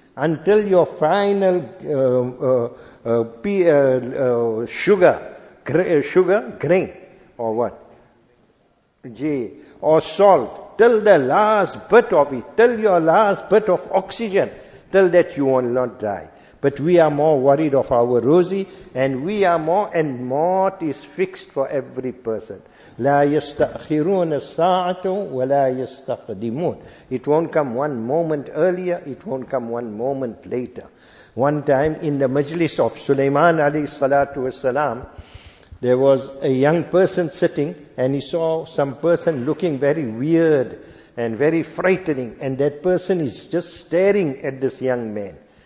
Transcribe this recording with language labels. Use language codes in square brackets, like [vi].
[en] Until your final sugar grain or what? Or salt. Till the last bit of it, till your last bit of oxygen, till that you will not die. But we are more worried of our rosy, and we are more, and maut is fixed for every person. [ar] لا يستأخرون الساعة ولا يستقدمون. [en] It won't come one moment earlier, it won't come one moment later. One time in the majlis of Sulaiman alayhi salatu wasalam, there was a young person sitting and he saw some person looking very weird and very frightening, and that person is just staring at this young man.